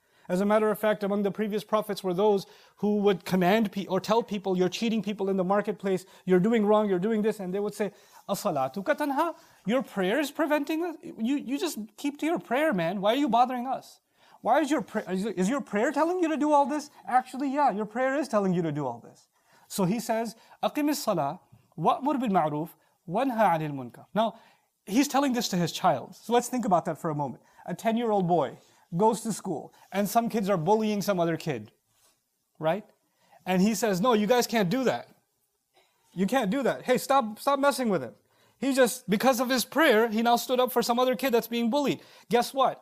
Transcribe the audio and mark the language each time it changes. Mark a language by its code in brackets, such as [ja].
[en] As a matter of fact, among the previous prophets were those who would command or tell people, you're cheating people in the marketplace, you're doing wrong, you're doing this, and they would say, [ar] أَصَلَاتُكَ تَنْهَا? [en] Your prayer is preventing us? You just keep to your prayer, man. Why are you bothering us? Why is your prayer telling you to do all this? Actually, yeah, your prayer is telling you to do all this. [ar] So he says, أَقِمِ الصَّلَاةِ وَأْمُرْ بِالْمَعْرُوفِ وَانْهَى عَنِ الْمُنْكَرِ. [en] Now, he's telling this to his child. So let's think about that for a moment. A 10-year-old boy goes to school, and some kids are bullying some other kid, right? And he says, no, you guys can't do that. You can't do that. Hey, stop messing with him. He just, because of his prayer, he now stood up for some other kid that's being bullied. Guess what?